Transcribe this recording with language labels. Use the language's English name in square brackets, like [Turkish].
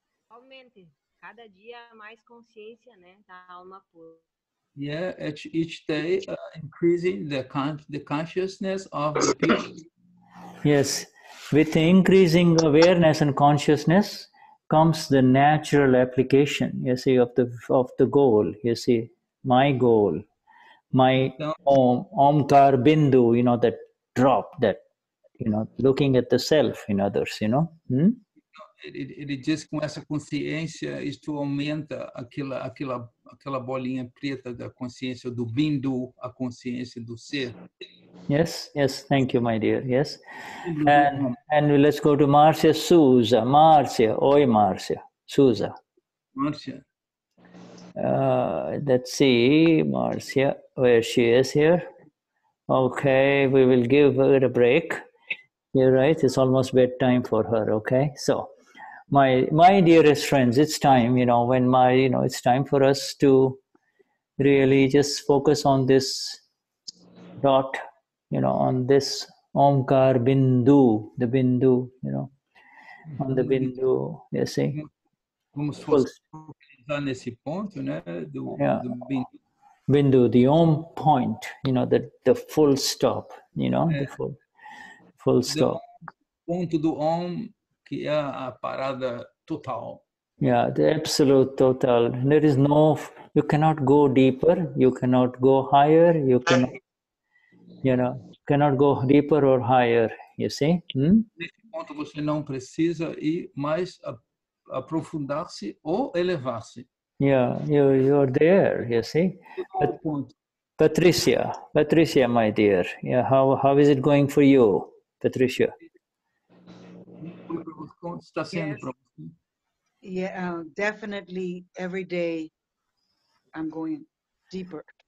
[Portuguese] Aumente, cada dia mais consciência, né, da alma pura. [English] Yeah, each day increasing the consciousness of each. Yes, with increasing awareness and consciousness, comes the natural application, you see, of the goal, you see, my goal, my Omkar Bindu, you know, that drop, that, you know, looking at the self in others, you know. [Portuguese] Ele diz com essa consciência, isto aumenta aquela bolinha preta da consciência do Bindu, a consciência do ser. [English] Yes, thank you, my dear, yes. And let's go to Marcia Souza. [Portuguese] Marcia, oi, Marcia. Souza. Marcia. [English] Let's see, Marcia, where she is here. Okay, we will give her a break. You're right, it's almost bedtime for her, okay? So, my dearest friends, it's time, you know, it's time for us to really just focus on this dot, you know, on this Omkar Bindu, the Bindu, you know, on the Bindu, you see. [Portuguese] Como se fosse nesse ponto, né, do Bindu. [English] Bindu, the Om point, you know, the full stop, you know, the full stop. [Portuguese] Ponto do Om, que é a parada total. [English] Yeah, the absolute total. There is no, you cannot go deeper, you cannot go higher, you cannot... You know, cannot go deeper or higher, you see? [Portuguese] Nesse ponto você não precisa ir mais aprofundar-se ou elevar-se. [English] Yeah, you're there, you see? Patricia, my dear, yeah, how is it going for you, Patricia? [Portuguese] Como está sendo para você? [English] Yeah, definitely every day I'm going deeper.